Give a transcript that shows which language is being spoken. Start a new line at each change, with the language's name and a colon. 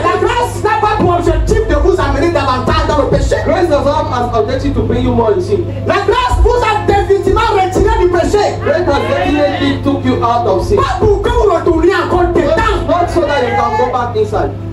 French: La grâce n'a pas pour objectif de vous amener davantage dans le péché.
English: Grace does not have objective to bring you more in sin.
French: La grâce vous a définitivement retiré du péché.
English: Grace has definitely took you out of sin.
French: Pas pour que vous retourniez encore dedans.
English: Not so that you can go back inside.